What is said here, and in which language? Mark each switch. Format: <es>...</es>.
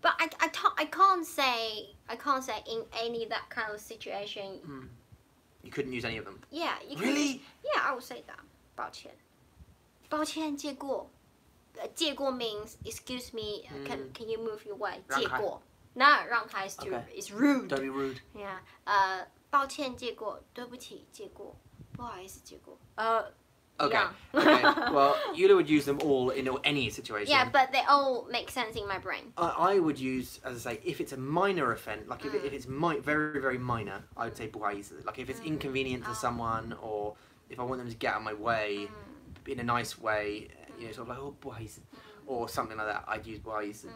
<en>But I can't say in any that kind of situation. You couldn't use any of them. Yeah, you can. Really? Yeah, I would say that.</en> <zh>抱歉，抱歉，借过。</zh> <en>借过 means excuse me, can you move your way? 借过 No, 让开 is too, it's rude. Don't be rude. Yeah.</en> <zh>抱歉借过对不起借过不好意思借过</zh> <en>Okay. Well, Yula would use them all in any situation. Yeah, but they all make sense in my brain. I would use, as I say, if it's a minor offense, like if it's very, very minor, I would say 不好意思 Like if it's inconvenient to someone or if I want them to get out of my way in a nice way,You know, sort of like, oh, 不好意思, or something like that, I'd use 不好意思.</en>